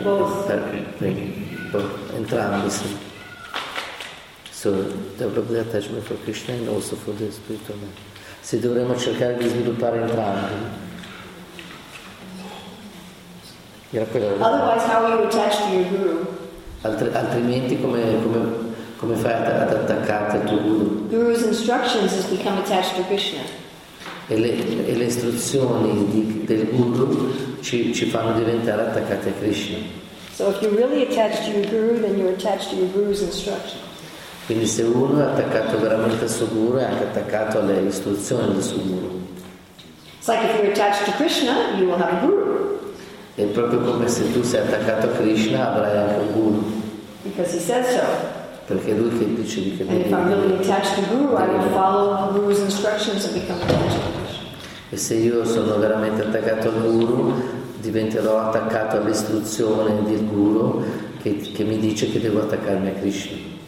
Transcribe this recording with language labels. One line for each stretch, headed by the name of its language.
English: Both.
Italian: Entrambi, sì.
English: So develop the attachment for Krishna and also for the spiritual man.
Italian: Se dovremmo cercare di sviluppare entrambi.
English: Otherwise, how are you attached to your guru?
Italian: Altrimenti come fai ad attaccarti al tuo guru?
English: Guru's instructions is become attached to Krishna.
Italian: E le istruzioni del guru ci fanno diventare attaccati a Krishna.
English: So if you're really attached to your guru, then you're attached to your guru's instructions.
Italian: Quindi se uno è attaccato veramente al suo guru, è anche attaccato alle istruzioni del suo guru.
English: It's like if you're attached to Krishna, you will have a guru.
Italian: È proprio come se tu sei attaccato a Krishna, avrai anche un guru.
English: Because he says so.
Italian: Perché lui che dice di credere.
English: And if I'm really attached to Guru, I will follow the Guru's instructions and become attached to Krishna.
Italian: E se io sono veramente attaccato al Guru, diventerò attaccato all'istruzione del Guru che mi dice che devo attaccarmi a Krishna.